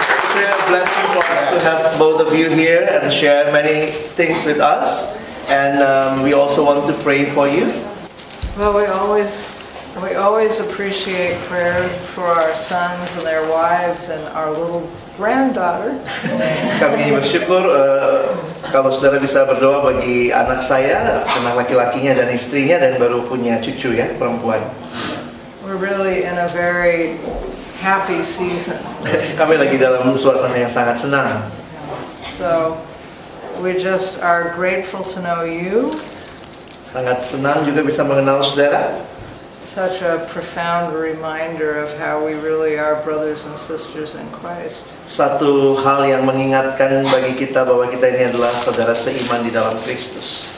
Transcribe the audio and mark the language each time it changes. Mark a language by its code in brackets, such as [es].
[en] It's really a blessing for us to have both of you here and share many things with us. And we also want to pray for you. Well, we always appreciate prayer for our sons and their wives and our little granddaughter. [id] Kami bersyukur kalau saudara bisa berdoa bagi anak saya, anak laki-lakinya dan istrinya, dan baru punya cucu ya, perempuan. [en] We're really in a very happy season. [id] Kami lagi dalam suasana yang sangat senang. [en] So, we just are grateful to know you. [id] Sangat senang juga bisa mengenal saudara. [en] Such a profound reminder of how we really are brothers and sisters in Christ. [id] Satu hal yang mengingatkan bagi kita bahwa kita ini adalah saudara seiman di dalam Kristus.